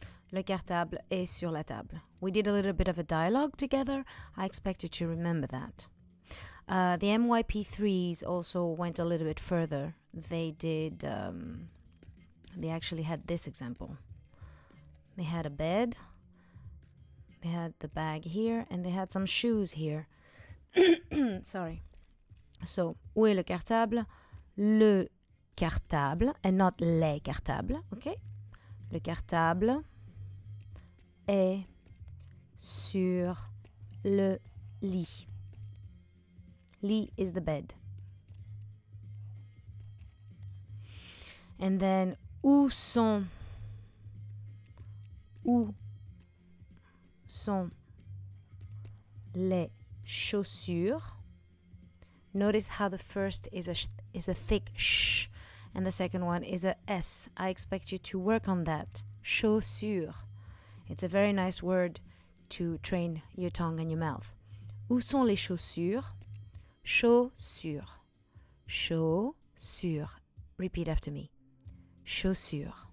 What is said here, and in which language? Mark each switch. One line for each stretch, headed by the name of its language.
French: Le cartable est sur la table.
English: We did a little bit of a dialogue together. I expect you to remember that. The MYP3s also went a little bit further. They did, they actually had this example. They had a bed. They had the bag here and they had some shoes here. Sorry. So,
French: où est le cartable? Le cartable
English: and not
French: les cartables,
English: okay?
French: Le cartable est sur le lit. Lit
English: is the bed. And then,
French: où sont les chaussures?
English: Notice how the first is a thick sh and the second one is a s. I expect you to work on that. Chaussures. It's a very nice word to train your tongue and your mouth.
French: Où sont les chaussures? Chaussures. Chaussures.
English: Repeat after me.
French: Chaussures.